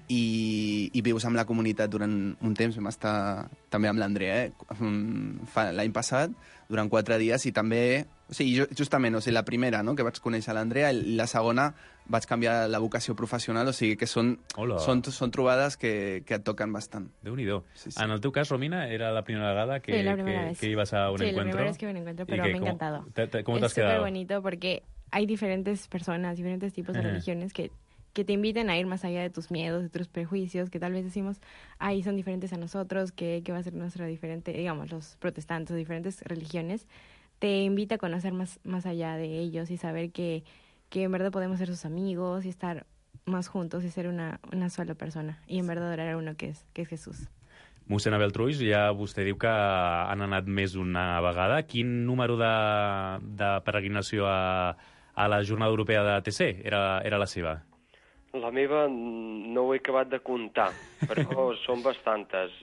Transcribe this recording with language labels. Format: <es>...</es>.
<ca>I vius amb la comunitat durant un temps. Vam estar també amb l'Andrea l'any passat, durant 4 dies, i també... Sí, justament, o sigui, la primera, no?, que vaig conèixer l'Andrea, i la segona vaig canviar la vocació professional, o sigui que són trobades que et toquen bastant. Déu-n'hi-do. Sí, sí. En el teu cas, Romina, era la primera vegada que</ca> <es>ibas a un encuentro. Sí, la primera vez que me encuentro, pero me ha encantado. ¿Cómo</es> <ca>t'has</ca> <es>quedado? Es súper bonito porque hay diferentes personas, diferentes tipos de religiones que te inviten a ir más allá de tus miedos, de tus prejuicios, que tal vez decimos, ay, son diferentes a nosotros, que va a ser nuestra diferente, digamos, los protestantes o diferentes religiones. Te invita a conocer más allá de ellos y saber que en verdad podemos ser sus amigos y estar más juntos y ser una sola persona y en verdad adorar a uno que es Jesús.</es> <ca>Mossèn Abel Trulls, ja vostè diu que han anat més d'una vegada. Quin número de peregrinació a la Jornada Europea de TC era la seva? La meva no ho he acabat de comptar, però són bastantes.</ca>